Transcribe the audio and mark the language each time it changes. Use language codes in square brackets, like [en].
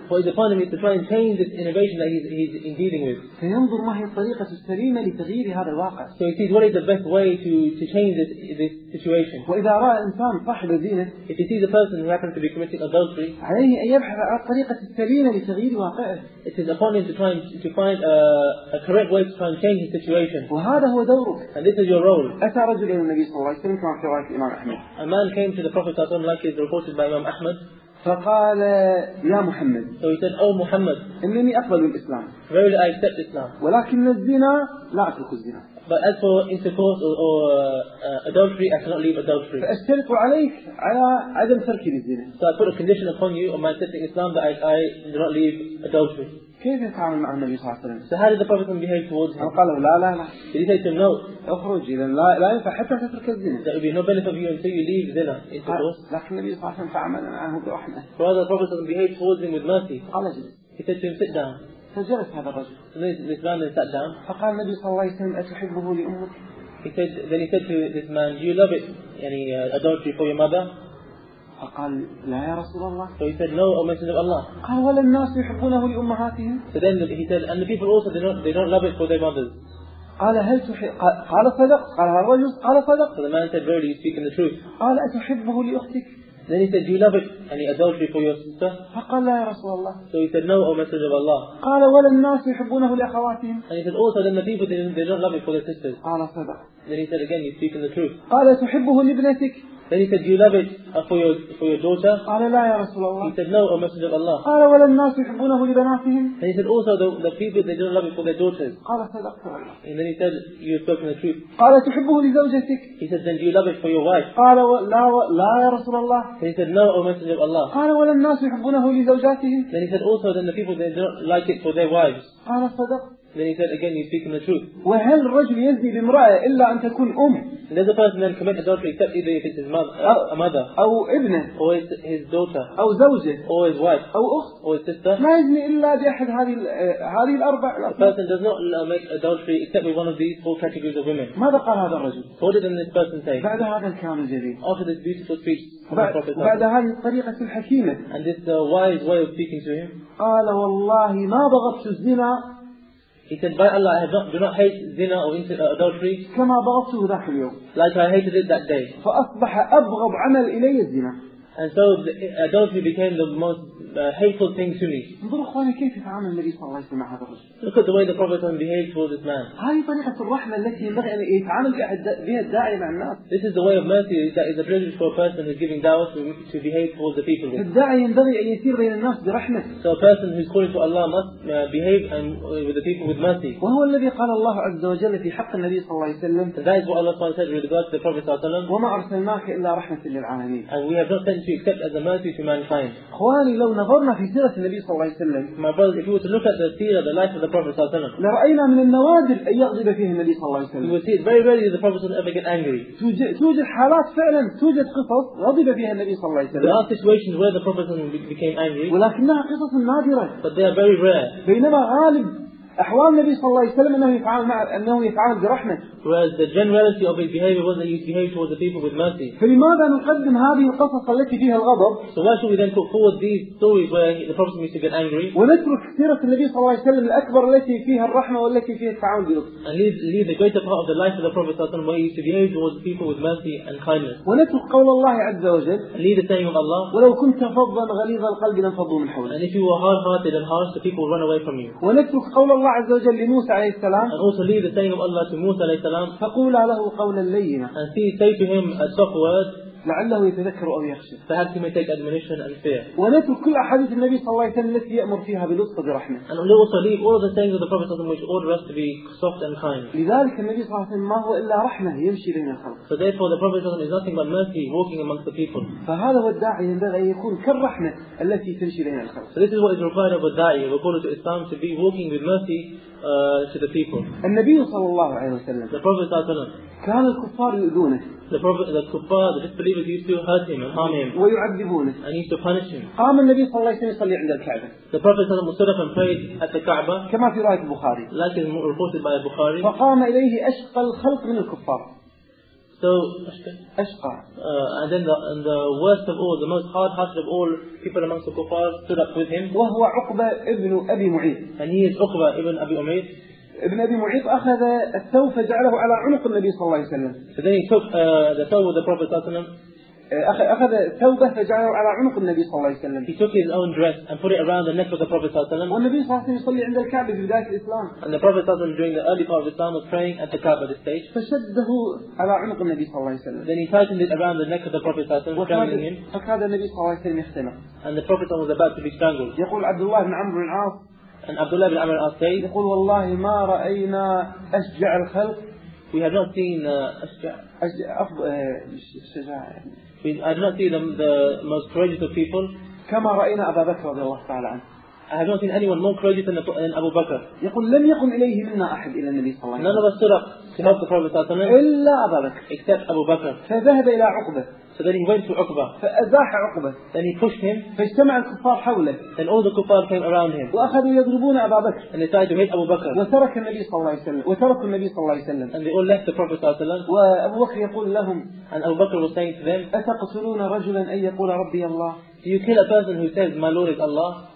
[en] For it is upon him to try and change this innovation that he's in dealing with. [ar] فينظر ما هي الطريقة السليمة لتغيير هذا الواقع. [en] So he sees what is the best way to change this situation. [ar] وإذا رأى إنسان صاحب الزينة. [en] If you see the person who happens to be committing adultery. [ar] عليه أن يبحث عن الطريقة السليمة لتغيير واقعه. [en] It is upon him to try and to find a correct way to try and change his situation. situation. [ar] وهذا هو دورك. [en] And this is your role. [ar] أتى رجل إلى النبي صلى الله عليه وسلم كما في رواية الإمام أحمد. [en] A man came to the Prophet [ar] صلى الله عليه وسلم [en] like it's reported by Imam Ahmad. [ar] فقال يا محمد. [en] So he said, oh Muhammad. [ar] إنني أقبل الإسلام. [en] Verily I accept Islam. [ar] ولكن الزنا لا أترك الزنا. [en] But as for intercourse or adultery, I cannot leave adultery. [ar] فأشترط عليك على عدم ترك الزنا. [en] So I put a condition upon you on my accepting Islam that I do not leave adultery. [ar] كيف يتعامل مع النبي صلى الله عليه وسلم؟ [en] So how did the Prophet behave towards him? [ar] قال لا لا لا. [en] Did he say to him no? [ar] اخرج إذا لا لا ينفع حتى تترك الزنا. [en] There will be no benefit of you until you leave zina. [ar] لكن النبي صلى الله عليه وسلم تعامل معه برحمة. [en] So the Prophet behaved towards him with mercy. [ar] قال جلس. [en] He said to him sit down. [ar] فجلس هذا الرجل. [en] This man sat down. [ar] فقال النبي صلى الله عليه وسلم أتحبه لأمك؟ [en] Then he said to this man, do you love it? Any adultery for your mother? [ar] فقال لا يا رسول الله. [en] So he said no, O Messenger of Allah. [ar] قال ولا الناس يحبونه لأمهاتهم. [en] So then he said, and the people also they don't love it for their mothers. [ar] قال هل تحب؟ قال صدق. قال الرجل قال صدق. [en] So the man said, verily you speak in the truth. [ar] قال أتحبه لأختك. [en] Then he said, do you love it? Any adultery for your sister? [ar] فقال لا يا رسول الله. [en] So he said, no, O Messenger of Allah. [ar] قال ولا الناس يحبونه لأخواتهم. [en] And he said, also then the people they don't love it for their sisters. [ar] قال صدق. [en] Then he said again, you speak in the truth. [ar] قال تحبه لابنتك. [en] Then he said, do you love it for your daughter? [ar] قال لا يا رسول الله. [en] He said, no, O Messenger of Allah. [ar] قال ولا الناس يحبونه لبناتهم. [en] Then he said, also the people they don't love it for their daughters. [ar] قال صدقت والله. [en] And then he said, you have spoken the truth. [ar] قال تحبه لزوجتك. [en] He said, then do you love it for your wife? [ar] قال لا يا رسول الله. [en] Then he said, no, O Messenger of Allah. [ar] قال ولا الناس يحبونه لزوجاتهم. [en] Then he said, also then the people they don't like it for their wives. [ar] قال صدقت. [en] Then he said again, you speak in the truth. [ar] وهل الرجل يزني بامرأة إلا أن تكون أم؟ [en] Does a person then commit adultery except either if it's his mother, a mother, [ar] أو ابنه, [en] or his daughter, [ar] أو زوجة, [en] or his wife, [ar] أو أخت, [en] or his sister؟ [ar] ما يزني إلا بأحد هذه الأربع. [en] A person does not commit adultery except with one of these four categories of women. [ar] ماذا قال هذا الرجل؟ [en] What did this person say? [ar] بعد هذا الكلام الجليل. [en] After this beautiful speech. [ar] بعد هذه الطريقة الحكيمة. [en] And this wise way of speaking to him. [ar] قال والله ما بغضت الزنا. [en] He said, by Allah, I do not hate zina or adultery [ar] كما بغضته ذاك اليوم. [en] Like I hated it that day. [ar] فأصبح أبغض عمل إلي الزنا. [en] And so adultery became the most hateful thing to me. [ar] انظروا أخواني كيف يتعامل النبي صلى الله عليه وسلم مع هذا الرجل. [en] Look at the way the Prophet behaved towards this man. [ar] هذه طريقة الرحمة التي ينبغي أن يتعامل بها الداعي مع الناس. [en] This is the way of mercy that is a privilege for a person who is giving da'wah to behave towards the people. [ar] الداعي ينبغي أن يسير بين الناس برحمة. [en] So a person who is calling for Allah must behave and with the people with mercy. [ar] وهو الذي قال الله عز وجل في حق النبي صلى الله عليه وسلم. [en] That is what Allah said with regard to the Prophet [ar] صلى الله عليه وسلم. وما أرسلناك إلا رحمة للعالمين. [en] And we have not sent you except as a mercy to mankind. [ar] إخواني لو نظرنا في سيرة النبي صلى الله عليه وسلم. [en] My brothers, if you were to look at the seerah, the life of the Prophet [ar] صلى الله عليه وسلم. لرأينا من النوادر أن يغضب فيه النبي صلى الله عليه وسلم. [en] You will see it very rarely the Prophet will ever get angry. [ar] توجد حالات فعلا توجد قصص غضب فيها النبي صلى الله عليه وسلم. [en] There are situations where the Prophet became angry. [ar] ولكنها قصص نادرة. [en] But they are very rare. [ar] بينما غالب أحوال النبي صلى الله عليه وسلم أنه يفعل برحمة. [en] Whereas the generality of his behavior was that he behaved towards the people with mercy. [ar] فلماذا نقدم هذه القصص التي فيها الغضب؟ [en] So why should we then put forward these stories where the Prophet used to get angry? [ar] ونترك سيرة النبي صلى الله عليه وسلم الأكبر التي فيها الرحمة والتي فيها التعاون بلطف. [en] And leave the greater part of the life of the Prophet [ar] صلى الله عليه وسلم [en] where he used to behave towards the people with mercy and kindness. [ar] ونترك قول الله عز وجل. [en] And leave the saying of Allah. [ar] ولو كنت فظا غليظ القلب لانفضوا من حولك. [en] And if you were hard-hearted and harsh, the people would run away from you. [ar] ونترك قول الله عز وجل لموسى عليه السلام. [en] And also leave the saying of Allah to Musa [ar] عليه السلام. فقولا له قولا لينا. [en] And say to him a soft word. [ar] لعله يتذكر أو يخشى. [en] Perhaps he may take admonition and fear. [ar] ونترك كل أحاديث النبي صلى الله عليه وسلم التي يأمر فيها بلطف برحمة. [en] And we also leave all the sayings of the Prophet which order us to be soft and kind. [ar] لذلك النبي صلى الله عليه وسلم ما هو إلا رحمة يمشي بين الخلق. [en] So therefore the Prophet is nothing but mercy walking amongst the people. [ar] فهذا هو الداعي ينبغي أن يكون كالرحمة التي تمشي بين الخلق. [en] So this is what is required of a da'i, according to Islam, to be walking with mercy to the people. [ar] النبي صلى الله عليه وسلم. [en] The Prophet [ar] صلى الله عليه وسلم. كان الكفار يؤذونه. [en] The kuffar, the disbelievers used to hurt him and harm him. [ar] ويعذبونه. [en] And used to punish him. [ar] قام النبي صلى الله عليه وسلم يصلي عند الكعبة. [en] The Prophet [ar] صلى الله عليه وسلم [en] stood up and prayed at the Kaaba. [ar] كما في رواية البخاري. [en] Like is reported by Bukhari. [ar] فقام إليه أشقى الخلق من الكفار. [en] So [ar] أشقى. [en] And then the worst of all, the most hard-hearted of all people amongst the kuffar stood up with him. [ar] وهو عقبة ابن أبي معيط. [en] And he is عقبة ابن أبي معيط. [ar] ابن أبي معيط أخذ الثوب فجعله على عنق النبي صلى الله عليه وسلم. [en] So then he took the thawb of the Prophet [ar] صلى الله عليه وسلم. أخذ ثوبه فجعله على عنق النبي صلى الله عليه وسلم. [en] He took his own dress and put it around the neck of the Prophet [ar] صلى الله عليه وسلم. والنبي صلى الله عليه وسلم يصلي عند الكعبة في بداية الإسلام. [en] And the Prophet [ar] صلى الله عليه وسلم [en] during the early part of Islam was praying at the Kaaba this stage. [ar] فشده على عنق النبي صلى الله عليه وسلم. [en] Then he tightened it around the neck of the Prophet [ar] صلى الله عليه وسلم, [en] strangling him. [ar] فكاد النبي صلى الله عليه وسلم يختنق. [en] And the Prophet was about to be strangled. [ar] يقول عبد الله بن عمرو بن العاص. [en] And Abdullah bin Amr al-As said, [ar] يقول والله ما رأينا أشجع الخلق. [en] We have not seen the most courageous of people. [ar] كما رأينا أبا بكر رضي الله تعالى عنه. [en] I have not seen anyone more courageous than Abu Bakr. [ar] يقول لم يقم إليه منا أحد إلى النبي صلى الله عليه وسلم. [en] None of us stood up to help the Prophet [ar] صلى الله عليه وسلم. إلا أبا بكر. [en] Except Abu Bakr. [ar] فذهب إلى عقبة. [en] So then he went to Uqba. [ar] فأزاح عقبة. [en] Then he pushed him. [ar] فاجتمع الكفار حوله. [en] Then all the kuffar came around him. [ar] وأخذوا يضربون أبا بكر. [en] And they tried to hit Abu Bakr. [ar] وترك النبي صلى الله عليه وسلم. وتركوا النبي صلى الله عليه وسلم. [en] And they all left the Prophet [ar] صلى الله عليه وسلم. وأبو بكر يقول لهم. [en] And Abu Bakr was saying to them. [ar] أتقتلون رجلا أن يقول ربي الله؟ [en] Do you kill a person who says my Lord is Allah?